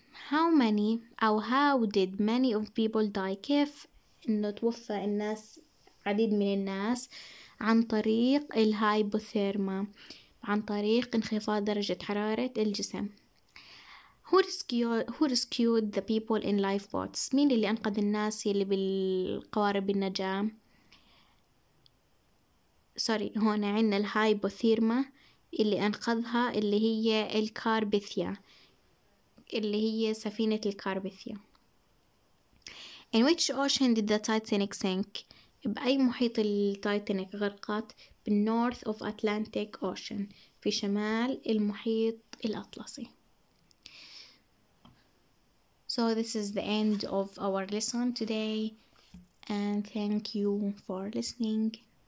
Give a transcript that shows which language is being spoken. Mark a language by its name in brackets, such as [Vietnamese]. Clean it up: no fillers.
[English] How many or how did many of people die? [Arabic] كيف إنه توفى الناس عديد من الناس عن طريق الهايبوثيرما عن طريق انخفاض درجة حرارة الجسم. [English] Who rescued the people in lifeboats? [Arabic] مين اللي أنقذ الناس اللي بالقوارب النجاة؟ [English] Sorry, [Arabic] هون عندنا الهايبوثيرما اللي أنقذها اللي هي الكاربيثيا اللي هي سفينة الكاربيثيا. [English] In which ocean did the Titanic sink? [Arabic] بأي محيط التايتانيك غرقت؟ [English] بالنورث of Atlantic Ocean [Arabic] في شمال المحيط الأطلسي. [English] So this is the end of our lesson today, and thank you for listening.